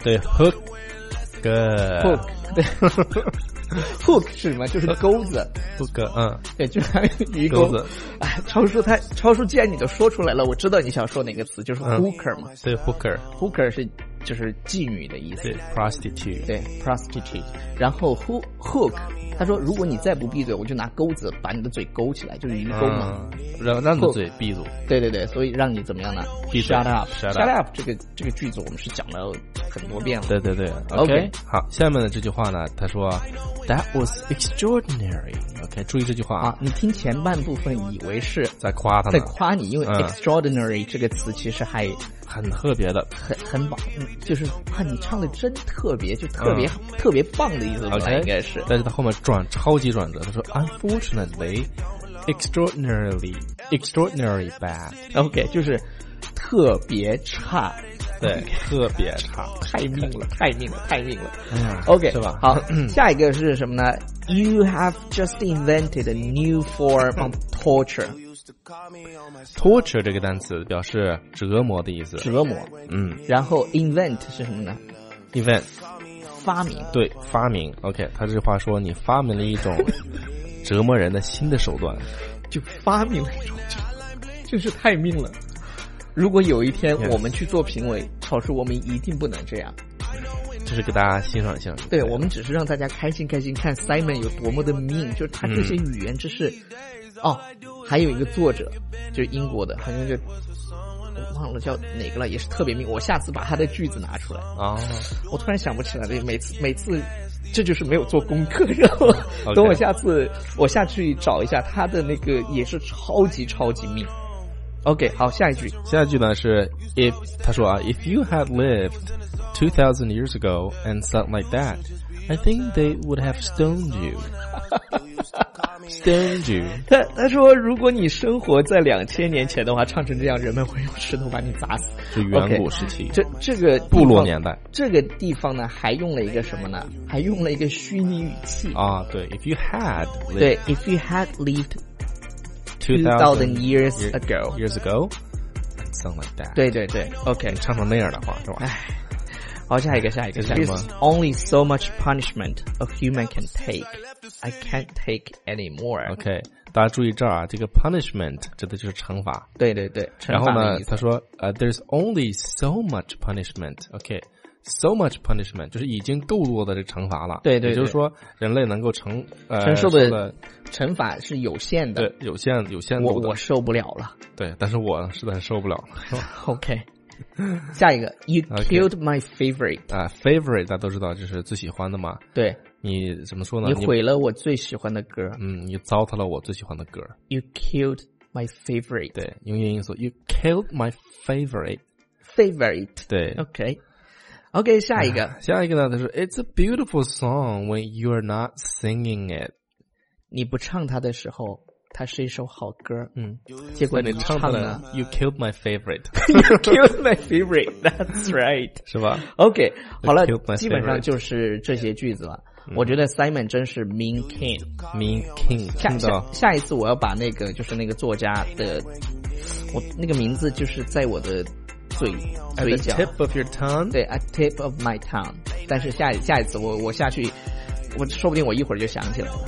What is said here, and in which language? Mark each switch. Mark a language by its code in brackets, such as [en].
[en] 对 ，hook， good [zh] hook， 对。Hook 是什么？就是钩子。 [en] Hook， [zh] 对，就是鱼钩子。哎，超叔，既然你都说出来了，我知道你想说哪个词，就是 hooker 嘛。 [en] 对 ，hooker。 [zh] Hooker 是就是妓女的意思。 [en] 对 ，prostitute。 [zh] 对 ，prostitute。然后 hook 他说如果你再不闭嘴，我就拿钩子把你的嘴勾起来，就是鱼钩嘛，让你嘴闭住。对对对，所以让你怎么样呢？闭嘴。 [en] Shut up [zh] 这个句子我们是讲了很多遍了。对对对 [en] okay, [zh] 好，下面的这句话呢，他说 [en] That was extraordinary。 [zh] OK, 注意这句话啊，你听前半部分以为是在夸他，在夸你，因为 extraordinary 这个词其实还很特别的，很棒，就是啊，你唱的真特别，就特别特别棒的意思吧， [en] okay, [zh] 应该是。但是他后面转超级转折，他说 ， [en] unfortunately，extraordinarily bad。 [zh] OK, 就是特别差，对， okay, 特别差，太命了，太命了，太命了。嗯 [en] ，OK, [zh] 是吧？好，下一个是什么呢 [en] ？You have just invented a new form of torture。 [zh] Torture 这个单词表示折磨的意思，折磨。嗯，然后 invent 是什么呢 [en] ？invent [zh] 发明，对，发明。 OK, 他这话说你发明了一种折磨人的新的手段，就发明了一种，就是太命了。如果有一天我们去做评委，考试我们一定不能这样。就是给大家欣赏一下，对，我们只是让大家开心开心，看 Simon 有多么的命，就是他这些语言知识，哦。还有一个作者就是英国的，好像就忘了叫哪个了，也是特别命，我下次把他的句子拿出来啊，我突然想不起来，每次这就是没有做功课，然后等我下次、 [en] okay. [zh] 我下去找一下他的那个，也是超级超级命。 OK, 好，下一句，下一句呢是 [en] if 他说啊 if you had lived 2000 years ago and something like that I think they would have stoned you Stoned you. [zh] 他说如果你生活在2000年前的话，唱成这样人们会用石头把你砸死，是远古时期。 okay, 这个部落年代，这个地方呢还用了一个什么呢，还用了一个虚拟语气 [en] 啊。对 if you had lived, 对 if you had lived 2000 years ago something like that, [zh] 对对对 OK, 唱成那样的话是吧。好，下一个 [en] There's only so much punishment a human can take I can't take anymore. [zh] OK, 大家注意这儿啊，这个 punishment 指的就是惩罚。对对对，惩罚的意思。然后呢他说 [en] There's only so much punishment. [zh] OK, [en] so much punishment [zh] 就是已经够多的这惩罚了。对 对, 对，也就是说人类能够承受的惩罚是有限的。对，有限度的。我受不了了。对，但是我实在受不了了。 [en] OK, [zh] 下一个 [en] You killed my favorite、 okay. [zh] Favorite 大家都知道，就是最喜欢的嘛。对，你怎么说呢，你毁了我最喜欢的歌。嗯，你糟蹋了我最喜欢的歌。 [en] You killed my favorite. [zh] 对，用英语说 [en] You killed my favorite. Favorite. [zh] 对 [en] OK OK, [zh] 下一个、下一个呢，他说 [en] It's a beautiful song when you're not singing it. [zh] 你不唱它的时候它是一首好歌，嗯，结果你唱了 [en] You killed my favorite You killed my favorite That's right [zh] 是吧 OK 好了，基本上就是这些句子了、我觉得 Simon 真是 Mean King [en] Mean King [zh] 下一次我要把那个就是那个作家的我那个名字就是在我的嘴角 [en] the tip of your tongue [zh] 对 [en] at tip of my tongue [zh] 但是下一次我下去我说不定我一会儿就想起来了